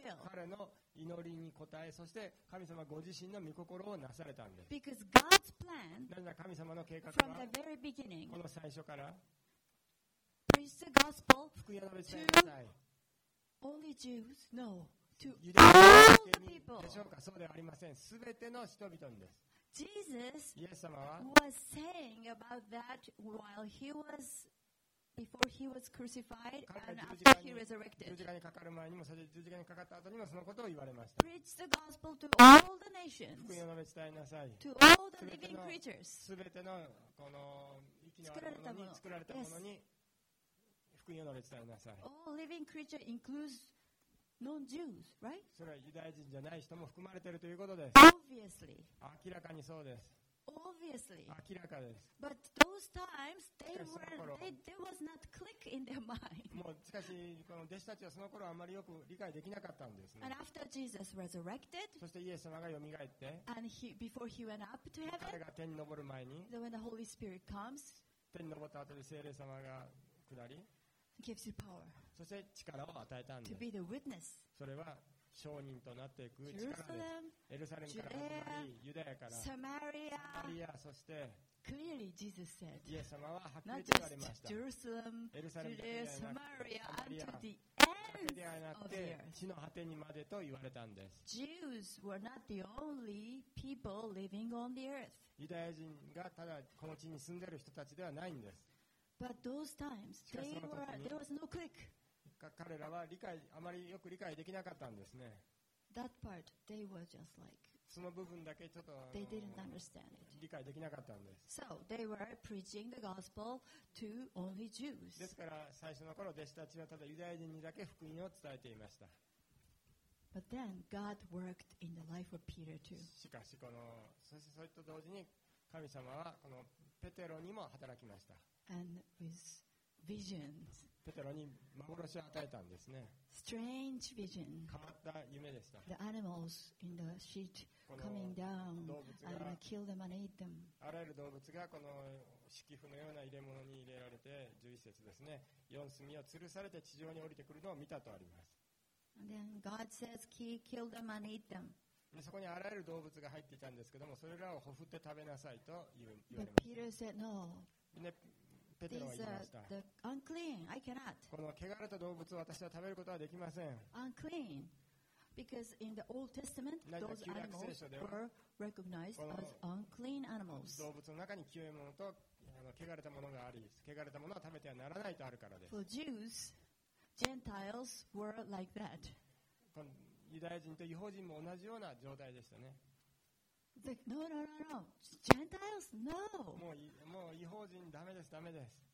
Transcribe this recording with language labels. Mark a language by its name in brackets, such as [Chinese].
[Japanese] 彼の祈りに応え、そして神様ご自身の御心をなされたんです。 [English] Because God's plan, [Japanese] 何だ神様の計画は、 [English] from the very beginning, [Japanese] この最初から。 [English] Preach the gospel to only Jews? No, to all the people. [Japanese] ユダヤ人だけでしょうか。そうではありません。すべての人々にです。 [English] Jesus [Japanese] イエス様は [English] was saying about that while he was before he was crucified and after he resurrected. [Japanese] 十字架にかかる前にも、そして十字架にかかった後にもそのことを言われました。 [English] Preach the gospel to all the nations. [Japanese] 福音を述べ伝えなさい。 [English] To all the living creatures. [Japanese] すべてのこの生きのあるものに作られたものに。福音を述べ伝えなさい。 [English] All living creature includes non-Jews, right? [Japanese] それはユダヤ人じゃない人も含まれているということです [English] 。 Obviously. [Japanese] 明らかにそうです。 [English] Obviously. [Japanese] 明らかです。 [English] But those times, they was not click in their mind. [Japanese] もうしかしこの弟子たちはその頃あまりよく理解できなかったんですね。 [English] And after Jesus resurrected, [Japanese] そしてイエス様がよみがえって、 [English] And before he went up to heaven, [Japanese] 彼が天に昇る前に、 [English] when the Holy Spirit comes, [Japanese] 天に昇った後で聖霊様が下り、 [English] Gives you power. [Japanese] そして力を与えたんです。 [English] To be the witness. [Japanese] それは証人となっていく力です。 [English] Jerusalem, [Japanese] エルサレムから始まり、ユダヤから、 [English] Samaria, [Japanese] サマリア、そして、 [English] Clearly Jesus said, [Japanese] イエス様ははっきりと言われました。 [English] Jerusalem, [Japanese] エルサレムから始まり、サマリア、 [English] until the end of the earth. [Japanese] 地の果てにまでと言われたんです。 [English] Jews were not the only people living on the earth. [Japanese] ユダヤ人がただこの地に住んでいる人たちではないんです。 [English] But those times, there was no click. [Japanese] 彼らは理解あまりよく理解できなかったんですね。 [English] That part, they were just like, [Japanese] その部分だけちょっと [English] they didn't understand it. [Japanese] 理解できなかったんです。 [English] So they were preaching the gospel to only Jews. [Japanese] ですから最初の頃弟子たちはただユダヤ人にだけ福音を伝えていました。 [English] But then God worked in the life of Peter too. [Japanese] しかしこのそしてそれと同時に神様はこのペテロにも働きました。 [English] And with visions. [Japanese] ペテロに幻を与えたんですね。 [English] Strange vision. [Japanese] 変わった夢でした。 [English] The animals in the sheet coming down and kill them and eat them. [Japanese] あらゆる動物がこの敷布のような入れ物に入れられて、11節ですね。四隅を吊るされて地上に降りてくるのを見たとあります。 [English] And then God says, "He killed them and eat them." [Japanese] でそこにあらゆる動物が入っていたんですけども、それらをほふって食べなさいと言われました。 [English] But Peter said, "No." [Japanese] ね。ペテロは言いました。 [English] the unclean. I cannot. [Japanese] この汚れた動物を私は食べることはできません。 [English] unclean. Because in the Old Testament, those animals were recognized as unclean animals. [Japanese] 動物の中に清いものとあの汚れたものがあり、汚れたものは食べてはならないとあるからです。 [English] For Jews, Gentiles were like that. [Japanese] このユダヤ人と異邦人も同じような状態でしたね。 [English] No, no, no, no. Gentiles, no. [Japanese] もう異邦人ダメです、ダメです。